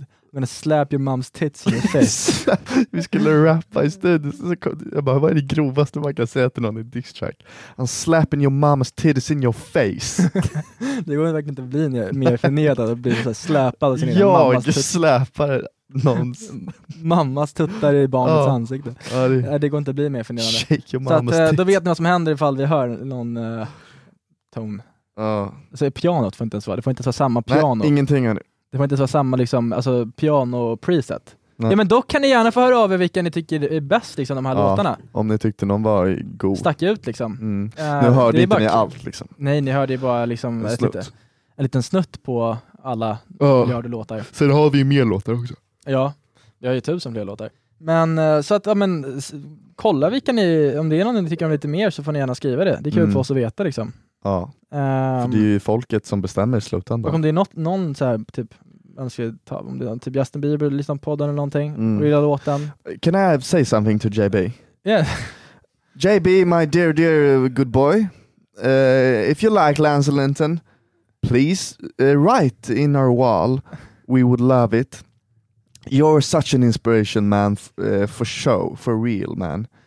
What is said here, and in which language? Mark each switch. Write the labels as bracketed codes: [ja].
[en] I'm gonna slap your mom's tits in the face. [sv] Vi skulle rappa i studion. Jag bara, vad är det grovaste man kan säga till någon i diss track? [en] I'm slapping your mom's tits in your face. [sv] Det går verkligen inte att bli mer förnedrad och bli så här släpad. Och jag släpar någons mammas tuttar i barnets ansikte. Ja, det går inte att bli mer förnedrad. [en] Shake your mama's tits. [sv] Då vet ni vad som händer ifall vi hör någon ton. Så pianot får inte ens vara. Det får inte vara samma piano. Nej, ingenting ännu. Det får inte vara samma liksom, alltså, piano preset. Ja, men då kan ni gärna få höra av er vilka ni tycker är bäst liksom, de här låtarna. Om ni tyckte någon var god. Stack ut liksom. Mm. Nu hörde inte ni allt liksom. Nej, ni hörde ju bara liksom, en liten snutt på alla miljarder låtar. Sen har vi ju mer låtar också. Ja, vi har ju 1000 fler låtar. Men så att, ja men, kolla vilka ni, om det är någon ni tycker om lite mer så får ni gärna skriva det. Det är kul för oss att veta liksom. Ja, för det är ju folket som bestämmer i slutändan. Och om det är någon så här typ önskar ta, om det är typ Justin Bieber liksom podden eller någonting, vill jag låta den. [en] Can I say something to JB? Yeah. JB, my dear, dear good boy. If you like Lance Linton, please write in our wall. We would love it. You're such an inspiration, man, for show, for real, man.